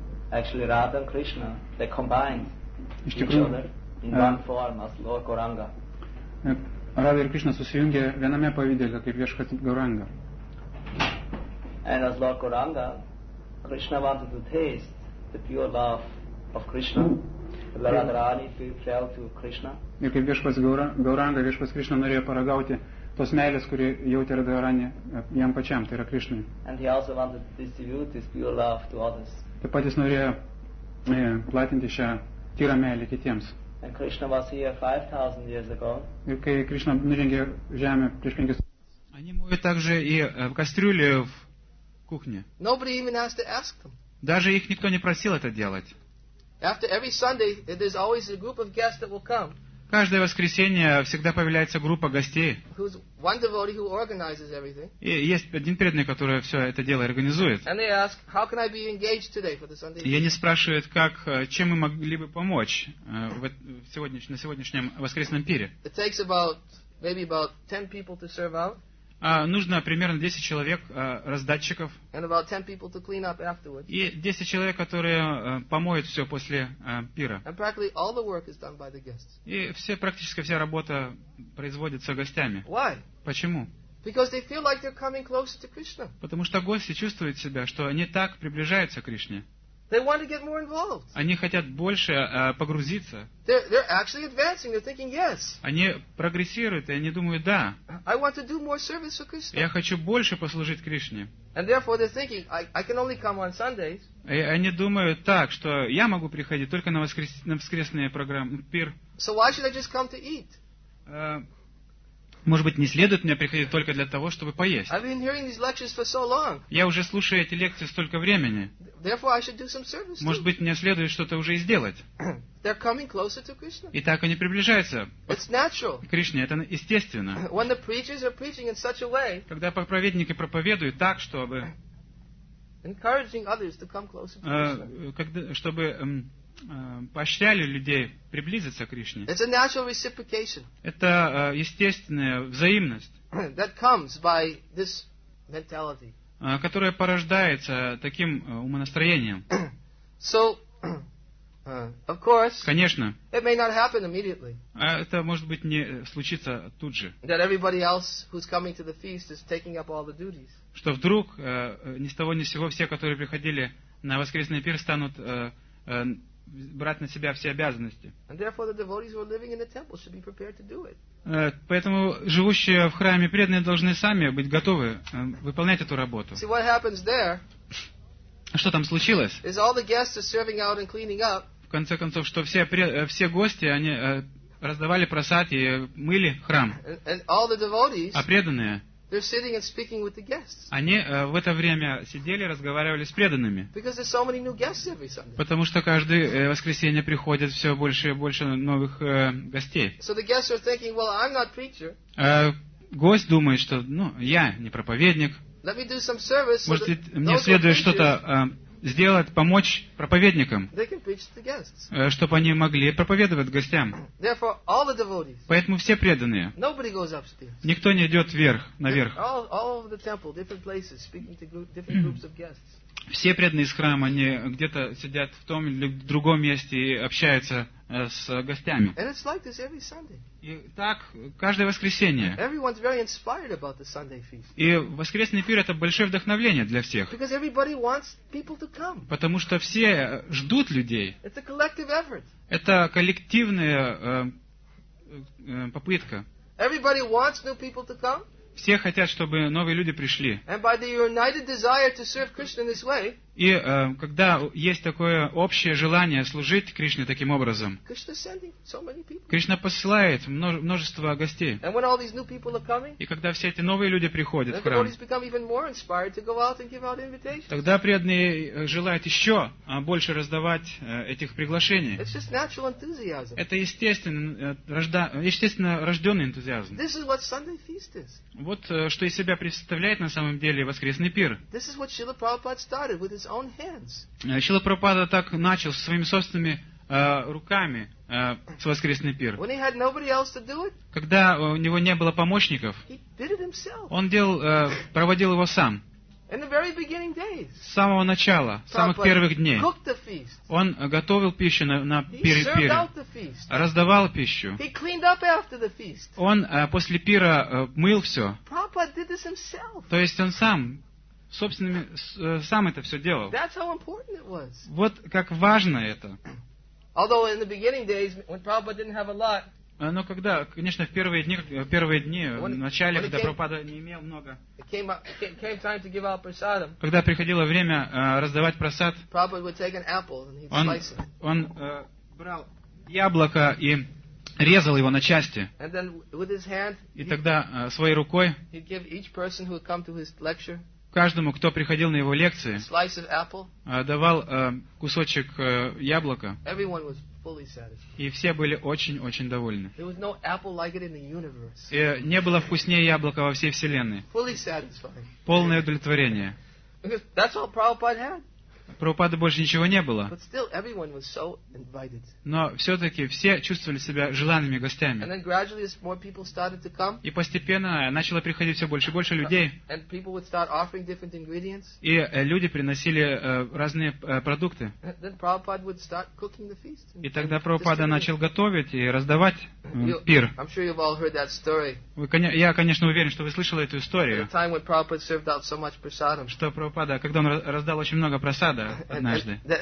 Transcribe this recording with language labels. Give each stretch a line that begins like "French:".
English: Actually, Radha and Krishna, they combined each other in one form as Lord Gauranga.
Lithuanian: Radha ir Krishna susijungė viename pavidelė, kaip viešpats Gauranga.
English: And as Lord Gauranga, Krishna wanted to taste the pure love of Krishna. Radharani fell to Krishna.
Lithuanian: Ir kaip viešpats Gauranga, viešpats Krishna norėjo paragauti tos meilės, kurį jautė Radharani jam pačiam, tai yra Krishna.
English: And he also wanted to distribute this pure love to others.
Lithuanian: Taip pat jis norėjo platinti šią tyrą meilę kitiems.
English: And Krishna was here 5,000 years ago.
Lithuanian: Ir kai Krishna nurengė žemę prieš 5,000
Russian: Они моют также и в кастрюле в кухне.
English: Nobody even has to ask them.
Russian: Даже их никто не просил это делать.
English: After every Sunday, there's always a group of guests that will come.
Russian: Каждое воскресенье всегда появляется группа гостей.
English: Who's one devotee who organizes everything.
Russian: И есть один преданный, который все это дело организует.
English: And they ask, how can I be engaged today for the Sunday evening?
Russian: И они спрашивают, как, чем мы могли бы помочь на сегодняшнем воскресном пире.
English: It takes maybe about 10 people to serve out.
Russian: Нужно примерно 10 человек раздатчиков.
English: And about 10 people to clean up afterwards.
Russian: И 10 человек, которые помоют все после пира.
English: And practically all the work is done by the guests.
Russian: И практически вся работа производится гостями.
English: Why?
Russian: Почему?
English: Because they feel like they're coming closer to Krishna.
Russian: Потому что гости чувствуют себя, что они так приближаются к Кришне.
English: They want to get more involved.
Russian: Они хотят больше погрузиться.
English: They're actually advancing. They're thinking yes.
Russian: Они прогрессируют, и они думают да.
English: I want to do more service for Krishna.
Russian: Я хочу больше послужить Кришне.
English: And therefore they're thinking I can only come on Sundays.
Russian: И они думают так, что я могу приходить только на воскресные программы, пир.
English: So why should I just come to eat?
Russian: Может быть, не следует мне приходить только для того, чтобы поесть.
English: I've been hearing these lectures for so long.
Russian: Я уже слушаю эти лекции столько времени.
English: Therefore, I should do some service too.
Russian: Может быть, мне следует что-то уже и сделать.
English: They're coming closer to Krishna.
Russian: И так они приближаются.
English: It's natural.
Russian: К Кришне, это естественно.
English: When the preachers are preaching in such a way.
Russian: Когда проповедники проповедуют так, чтобы.
English: Encouraging others to come closer to Krishna.
Russian: Чтобы поощряли людей приблизиться к Кришне.
English: It's a natural reciprocation.
Russian: Это естественная взаимность.
English: That comes by this mentality.
Russian: Которая порождается таким умонастроением.
English: So, of course,
Russian: конечно,
English: it may not happen immediately.
Russian: Это может быть не случится тут же.
English: That everybody else who's coming to the feast is taking up all the duties.
Russian: Что вдруг ни с того ни с сего все, которые приходили на воскресный пир, станут брать на себя все обязанности.
English: And therefore the devotees who are living in the temple should be prepared to do it.
Russian: Поэтому живущие в храме преданные должны сами быть готовы выполнять эту работу.
English: See, what happens there,
Russian: что там случилось?
English: Is all the guests are serving out and cleaning up,
Russian: в конце концов, что все гости они раздавали просад и мыли храм.
English: And all the devotees,
Russian: а преданные
English: they're sitting and speaking with the guests.
Russian: Они в это время сидели, разговаривали с преданными.
English: Because there's so many new guests every Sunday.
Russian: Потому что каждое воскресенье приходит все больше и больше новых гостей.
English: So the guests are thinking, well, I'm not preacher.
Russian: Гость думает, что, я не проповедник.
English: Let me do some service.
Russian: Может, мне следует что-то сделать, помочь проповедникам,
English: they can preach to the guests.
Russian: Чтобы они могли проповедовать гостям.
English: Therefore, all the devotees,
Russian: поэтому все преданные.
English: Nobody goes upstairs.
Russian: Никто не идет вверх, наверх.
English: All the temple, different places, speaking to different groups of guests.
Russian: Все преданные из храма, они где-то сидят в том или другом месте и общаются с гостями.
English: And it's like this every Sunday.
Russian: И так каждое воскресенье.
English: Everyone's very inspired about the Sunday feast.
Russian: И воскресный пир – это большое вдохновение для всех.
English: Because everybody wants people to come.
Russian: Потому что все ждут людей.
English: It's a collective effort.
Russian: Это коллективная попытка.
English: Everybody wants new people to come.
Russian: Все хотят, чтобы новые люди пришли.
English: And by the united desire to serve Krishna this way,
Russian: и когда есть такое общее желание служить Кришне таким образом,
English: Krishna sending so many people.
Russian: Кришна посылает множество гостей.
English: And when all these new people are coming,
Russian: и когда все эти новые люди приходят
English: then
Russian: в храм,
English: the devotees become even more inspired to go out and give out invitations.
Russian: Тогда преданные желают еще больше раздавать этих приглашений.
English: It's just natural enthusiasm.
Russian: Это естественно рожденный энтузиазм.
English: This is what Sunday feast is.
Russian: Вот что из себя представляет на самом деле воскресный пир.
English: This is what Srila Prabhupada started with his own hands.
Russian: Шрила Прабхупада так начал со своими собственными руками с воскресный пир.
English: When he had nobody else to do it,
Russian: когда у него не было помощников,
English: he did it himself.
Russian: Он проводил его сам.
English: In the very beginning days.
Russian: С самого начала, с самых первых дней.
English: Cooked the feast.
Russian: Он готовил пищу на пире.
English: He served out the feast.
Russian: Раздавал пищу.
English: He cleaned up after the feast.
Russian: Он после пира мыл все.
English: Prabhupada did this himself.
Russian: То есть он сам. Собственными, сам это все делал.
English: That's how important it was.
Russian: Вот как важно это.
English: Although in the beginning days, when Prabhupada didn't have a lot,
Russian: но когда, конечно, в первые дни, в начале, когда Прабхупада не имел много,
English: came time to give out prasadam,
Russian: когда приходило время раздавать прасад,
English: Prabhupada would take an apple and he'd slice it.
Russian: Он брал яблоко и резал его на части.
English: And then with his hand,
Russian: и тогда своей рукой
English: he'd give each person who would come to his lecture,
Russian: каждому, кто приходил на его лекции,
English: slice of apple,
Russian: давал кусочек яблока.
English: Everyone was fully satisfied.
Russian: И все были очень-очень довольны.
English: There was no apple like it in the universe.
Russian: И не было вкуснее яблока во всей вселенной.
English: Fully satisfied.
Russian: Полное удовлетворение.
English: Because that's all Prabhupada had.
Russian: Прабхупады больше ничего не было.
English: But still, everyone was so invited.
Russian: Но все-таки все чувствовали себя желанными гостями.
English: And then gradually, as more people started to come,
Russian: и постепенно начало приходить все больше и больше людей.
English: And people would start offering different ingredients.
Russian: И люди приносили разные продукты.
English: And then Prabhupada would start cooking the feast.
Russian: И тогда Прабхупада начал готовить и раздавать пир.
English: I'm sure you've all heard that story.
Russian: Я, конечно, уверен, что вы слышали эту историю.
English: At the time when Prabhupada served out so much prasadam.
Russian: Что Прабхупада, когда он раздал очень много прасад, однажды.